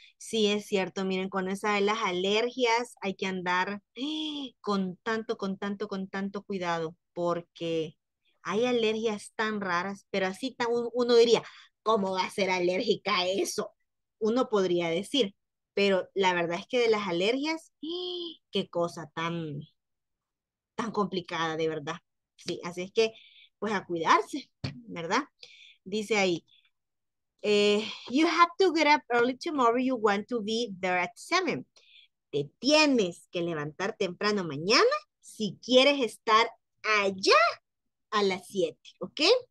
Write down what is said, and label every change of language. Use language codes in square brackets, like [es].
[es] Sí, es cierto, miren, con esa de las alergias hay que andar con tanto cuidado, porque hay alergias tan raras, pero así uno diría, ¿cómo va a ser alérgica a eso? Uno podría decir. Pero la verdad es que de las alergias, qué cosa tan complicada, de verdad. Sí, así es que, pues a cuidarse, ¿verdad? Dice ahí, [en] you have to get up early tomorrow, you want to be there at 7. [es] Te tienes que levantar temprano mañana si quieres estar allá a las 7, ¿ok?